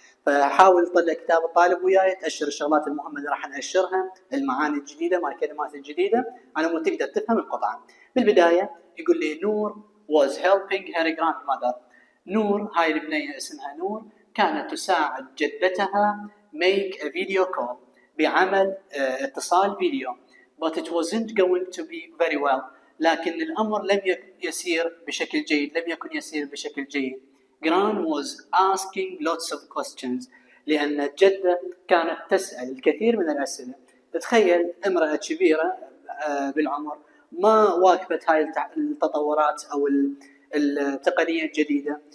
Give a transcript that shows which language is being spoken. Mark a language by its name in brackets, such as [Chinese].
[Arabic] فحاول تطلع كتاب الطالب وياي، تأشر الشغلات المهمة اللي راح نأشرها، المعاني الجديدة مع الكلمات الجديدة على مود تقدر تفهم القطعة. بالبداية يقول لي نور [English] was helping her grandmother. [Arabic] نور هاي البنية اسمها نور كانت تساعد جدتها [English] make a video call [Arabic] بعمل اتصال فيديو. [English] But it wasn't going to be very well. [Arabic] لكن الأمر لم يسير بشكل جيد، لم يكن يسير بشكل جيد. [English] Gran was asking lots of questions. [Arabic] لأن جدة كانت تسأل الكثير من الأسئلة. تتخيل امرأة كبيرة بالعمر ما واكبت هاي التطورات أو التقنية الجديدة.